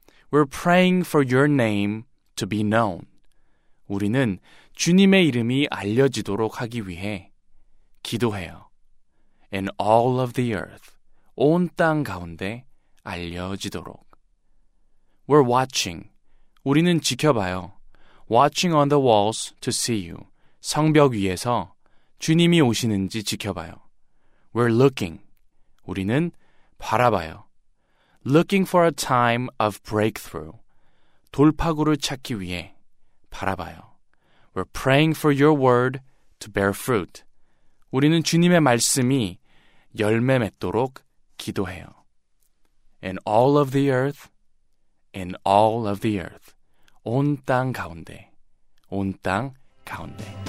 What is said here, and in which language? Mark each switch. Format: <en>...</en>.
<en>We're praying for your name to be known.</en> <ko>우리는 주님의 이름이 알려지도록 하기 위해 기도해요.</ko> <en>In all of the earth,</en> <ko>온 땅 가운데 알려지도록.</ko> <en>We're watching.</en> <ko>우리는 지켜봐요.</ko> <en>Watching on the walls to see you.</en> <ko>성벽 위에서 주님이 오시는지 지켜봐요.</ko> <en>We're looking.</en> <ko>우리는 바라봐요.</ko> <en>Looking for a time of breakthrough.</en> <ko>돌파구를 찾기 위해 바라봐요.</ko> <en>We're praying for your word to bear fruit.</en> <ko>우리는 주님의 말씀이 열매 맺도록 기도해요.</ko> <en>In all of the earth, in all of the earth.</en> <ko>온 땅 가운데, 온 땅 가운데.</ko>